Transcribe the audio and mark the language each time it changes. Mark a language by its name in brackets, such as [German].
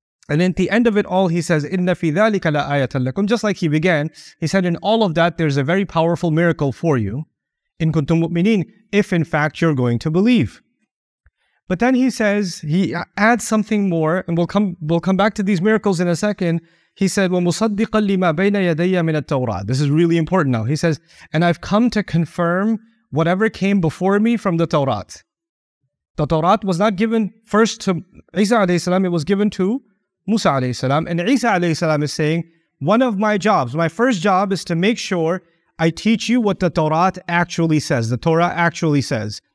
[English] And at the end of it all, he says, [Arabic] إِنَّ فِي ذَلِكَ لَآيَةً لَكُمْ [English] Just like he began, he said, in all of that, there's a very powerful miracle for you. [Arabic] إِن كُنْتُمْ مُؤْمِنِينَ [English] If in fact you're going to believe. But then he says, he adds something more, and we'll come back to these miracles in a second. He said, [Arabic] وَمُصَدِّقًا لِمَا بَيْنَ يَدَيَّ مِنَ التَّوْرَاةِ. [English] This is really important now. He says, and I've come to confirm whatever came before me from the Torah. The Torah was not given first to Isa alayhi salam, it was given to Musa alayhi salam. And Isa alayhi salam is saying, one of my jobs, my first job is to make sure I teach you what the Torah actually says, the Torah actually says.